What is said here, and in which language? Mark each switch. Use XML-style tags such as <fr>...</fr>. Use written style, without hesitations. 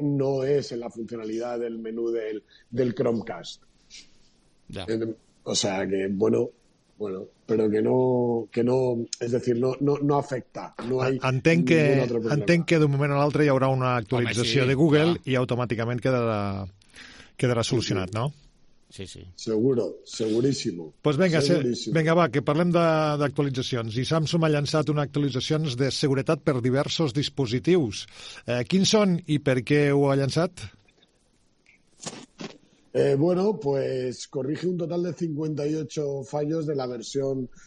<es>No es en la funcionalidad del menú del Chromecast. Ya. O sea, que, bueno, pero que no, es decir, no afecta, no hay</es> <ca>entenc que d'un moment a l'altre hi haurà una actualització. Home, sí, de Google, clar. I automàticament quedarà solucionat, sí, sí. No? Sí, sí.</ca> <es>Seguro, seguríssimo. Pues venga,</es> <ca>va, que parlem d'actualitzacions. I Samsung ha llançat una actualització de seguretat per diversos dispositius. Quins són i per què ho ha llançat?</ca> <es>Bueno, pues corrige un total de 58 fallos de la versión</es>